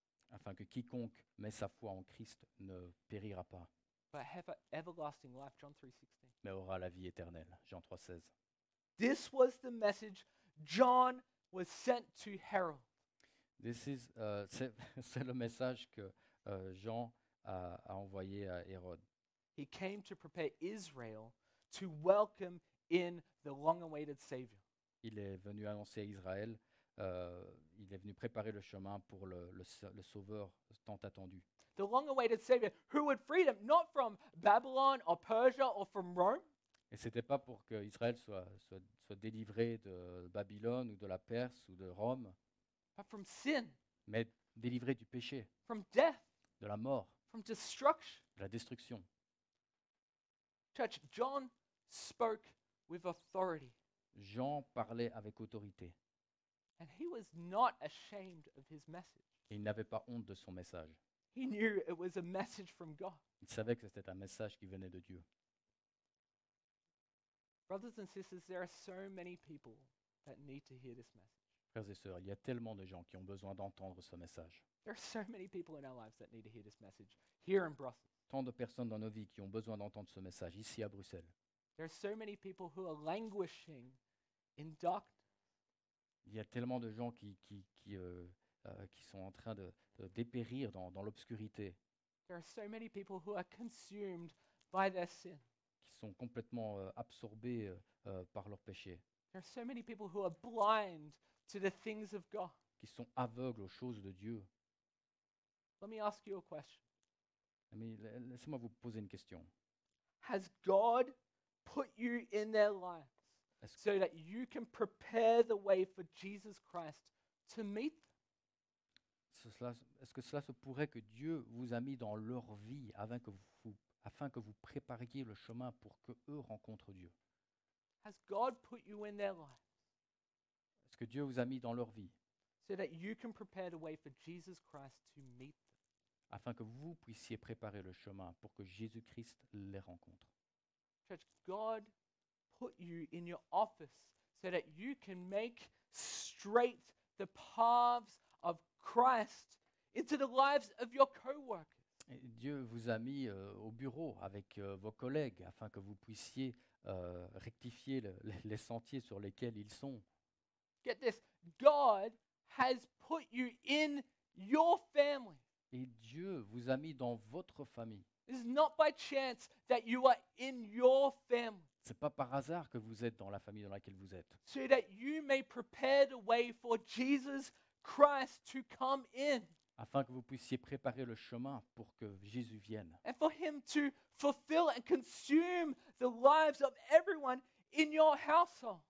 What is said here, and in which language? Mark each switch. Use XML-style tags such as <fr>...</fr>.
<fr>Afin que quiconque met sa foi en Christ ne périra pas.</fr> <en>But have everlasting life, John 3:16.</en> <fr>Mais aura la vie éternelle, Jean 3:16.</fr> <en>This was the message John was sent to herald.</en> <fr>C'est le message que Jean a envoyé à Hérode.</fr> <en>He came to prepare Israel to welcome in the long-awaited Savior.</en> <fr>Il est venu annoncer à Israël. Il est venu préparer le chemin pour le sauveur tant attendu.</fr> <en>The long-awaited Savior who would free them not from Babylon or Persia or from Rome.</en> <fr>Et c'était pas pour que Israël soit délivré de Babylone ou de la Perse ou de Rome.</fr> <en>But from sin.</en> <fr>Mais délivré du péché.</fr> <en>From death.</en> <fr>De la mort.</fr> <en>From destruction.</en> <fr>De la destruction.</fr> <en>Church, John spoke with authority.</en> <fr>Jean parlait avec autorité.</fr> <en>And he was not ashamed of his message.</en> <fr>Il n'avait pas honte de son message.</fr> <en>He knew it was a message from God.</en> <fr>Il savait que c'était un message qui venait de Dieu.</fr> <en>Brothers and sisters, there are so many people that need to hear this message.</en> <fr>Frères et sœurs, il y a tellement de gens qui ont besoin d'entendre ce message.</fr> <en>There are so many people in our lives that need to hear this message here in Brussels.</en> <fr>Tant de personnes dans nos vies qui ont besoin d'entendre ce message ici à Bruxelles.</fr> <en>There are so many people who are languishing in darkness.</en> <fr>Il y a tellement de gens qui sont en train de dépérir dans l'obscurité.</fr> <en>There are so many people who are consumed by their sin.</en> <fr>Qui sont complètement absorbés par leur péché.</fr> <en>There are so many people who are blind to the things of God.</en> <fr>Qui sont aveugles aux choses de Dieu.</fr> <en>Let me ask you a question.</en> <fr>Laissez-moi vous poser une question.</fr> <en>Has God put you in their lives so that you can prepare the way for Jesus Christ to meet them?</en> <fr>Est-ce que cela se pourrait que Dieu vous a mis dans leur vie afin que vous prépariez le chemin pour que eux rencontrent Dieu?</fr> <en>Has God put you in their lives?</en> <fr>Est-ce que Dieu vous a mis dans leur vie?</fr> <en>So that you can prepare the way for Jesus Christ to meet them.</en> <fr>Afin que vous puissiez préparer le chemin pour que Jésus-Christ les rencontre.</fr> <en>Church, God put you in your office so that you can make straight the paths of Christ into the lives of your co-workers.</en> <fr>Et Dieu vous a mis au bureau avec vos collègues afin que vous puissiez rectifier les sentiers sur lesquels ils sont.</fr> <en>Get this, God has put you in your family.</en> <fr>Et Dieu vous a mis dans votre famille.</fr> <en>It's not by chance that you are in your family.</en> <fr>C'est pas par hasard que vous êtes dans la famille dans laquelle vous êtes.</fr> <en>So that you may prepare the way for Jesus Christ to come in.</en> <fr>Afin que vous puissiez préparer le chemin pour que Jésus vienne.</fr> <en>And for him to fulfill and consume the lives of everyone in your household.</en>